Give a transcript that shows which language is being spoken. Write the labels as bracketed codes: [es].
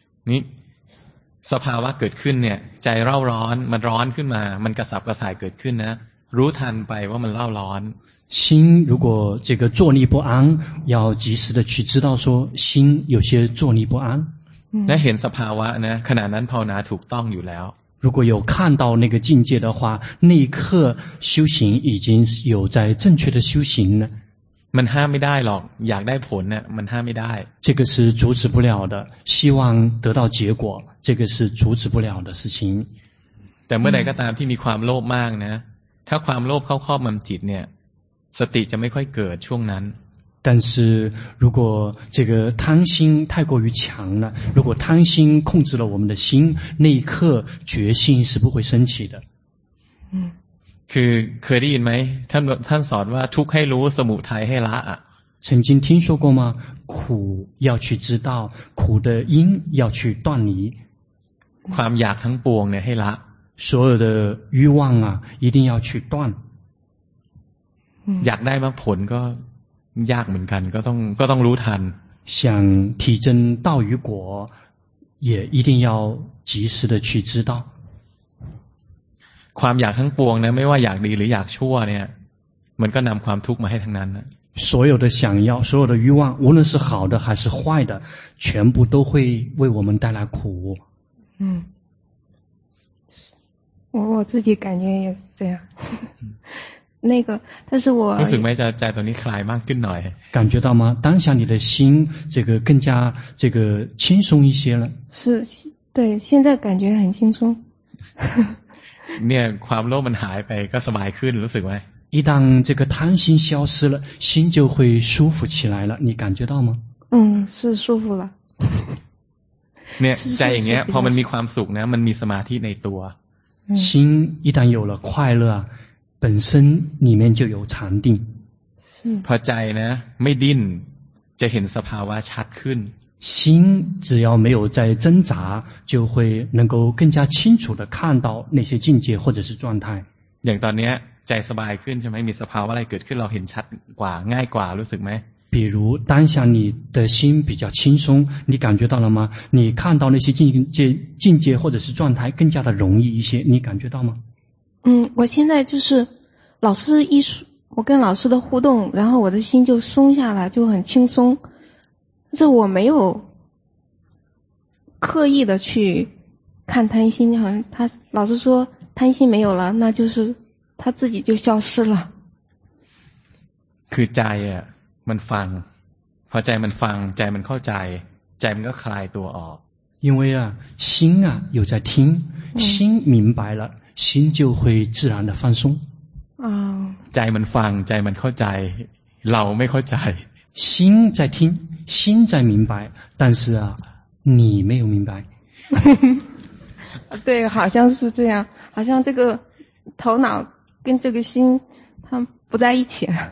[th] นี่สภาวะเกิดขึ้นเนี่ยใจเล่าร้อนมันร้อนขึ้นมามันกระสับกระส่ายเกิดขึ้นนะรู้ทันไปว่ามันเล่าร้อน [zh] 心如果这个坐立不安要及时的去知道说心有些坐立不安 [th] 那เห็นสภาวะนะขณะนั้นภาวนาถูกต้องอยู่แล้ว [zh] 如果有看到那个境界的话那一刻修行已经有在正确的修行 [th] มันห้ามไม่ได้หรอกอยากได้ผลเนี่ยมันห้ามไม่ได้ [zh] 这个是阻止不了的希望得到结果这个是阻止不了的事情 [th] แต่เมื่อใดก็ตามที่มีความโลภมากนะถ้าความโลภเข้าครอบมันจิตเนี่ยสติจะไม่ค่อยเกิดช่วงนั้น [zh] 但是如果这个贪心太过于强了如果贪心控制了我们的心那一刻决心是不会升起的嗯 [th] คือเคยได้ยินไหมท่านสอนว่าทุกข์ให้รู้สมุทัยให้ละอ่ะ [zh] 曾经听说过吗苦要去知道苦的因要去断离 [th] ความอยากทั้งปวงเนี่ยให้ละ [zh] 所有的欲望啊一定要去断 [th] อยากได้มากผลก็ยากเหมือนกันก็ต้องรู้ทัน [zh] 想提真道与果也一定要及时的去知道 [th] ความอยากทั้งปวงนะไม่ว่าอยากดีหรืออยากชั่วเนี่ยมันก็นำความทุกข์มาให้ทั้งนั้นนะ [zh] 所有的想要所有的欲望无论是好的还是坏的全部都会为我们带来苦嗯我自己感觉也是这样那个但是我 [th] รู้สึกไหมใจตอนนี้คลายมากขึ้นหน่อย [zh] 感觉到吗当下你的心这个更加这个轻松一些了是对现在感觉很轻松 [th] เนี่ยความโลภมันหายไปก็สบายขึ้นรู้สึกไหม [zh] 一旦这个贪心消失了心就会舒服起来了你感觉到吗嗯是舒服了 [th] เนี่ยใจอย่างเงี้ยพอมันมีความสุขนะมันมีสมาธิในตัว [zh] 心一旦有了快乐本身里面就有禅定 [th] พอใจนะไม่ดิ้นจะเห็นสภาวะชัดขึ้น [zh] 心只要没有在挣扎就会能够更加清楚地看到那些境界或者是状态 [th] อย่างตอนนี้ใจสบายขึ้นใช่ไหมมีสภาวะอะไรเกิดขึ้นเราเห็นชัดกว่าง่ายกว่ารู้สึกไหม [zh] 比如当下你的心比较轻松你感觉到了吗你看到那些境界或者是状态更加的容易一些你感觉到吗嗯我现在就是老师一说我跟老师的互动然后我的心就松下来就很轻松但是我没有刻意的去看贪心好像他老师说贪心没有了那就是他自己就消失了 [th] คือใจอ่ะมันฟังพอใจมันฟังใจมันเข้าใจใจมันก็คลายตัวออก [zh] 因为啊心啊有在听心明白了心就会自然的放松。啊。 [th] ใจมันฟัง ใจมันเข้าใจ เราไม่เข้าใจ。 [zh] 心在听，心在明白，但是啊，你没有明白。对，好像是这样，好像这个头脑跟这个心，它不在一起。